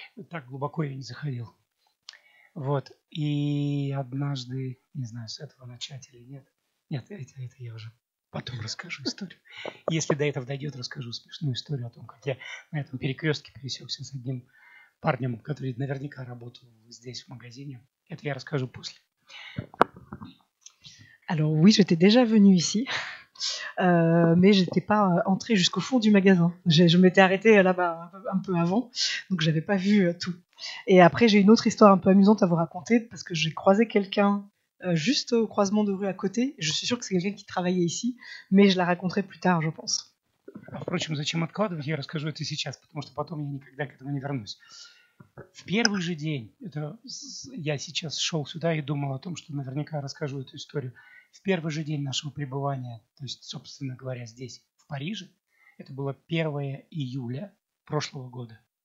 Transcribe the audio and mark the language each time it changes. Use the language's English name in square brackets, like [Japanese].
[Russian] Так глубоко я не заходил. Вот, и однажды, не знаю, с этого начать или нет. Нет, это я уже потом расскажу историю. Если до этого дойдет, расскажу смешную историю о том, как я на этом перекрестке пересекся с одним парнем, который наверняка работал здесь, в магазине. Это я расскажу после. [French] Alors oui, j'étais déjà venue ici, mais je n'étais pas entrée jusqu'au fond du magasin. Je m'étais arrêtée là-bas un peu avant, donc je n'avais pas vu tout. Et après, j'ai une autre histoire un peu amusante à vous raconter, parce que j'ai croisé quelqu'un juste au croisement de rue à côté. Je suis sûre que c'est quelqu'un qui travaillait ici, mais je la raconterai plus tard, je pense. [Russian] Впрочем, зачем откладывать, я расскажу это сейчас, потому что потом я никогда к этому не вернусь. В первый же день, я сейчас шел сюда и думал о том, что наверняка расскажу эту историю. В первый же день нашего пребывания, то есть, собственно говоря, здесь, в Париже, это было 1 июля прошлого года,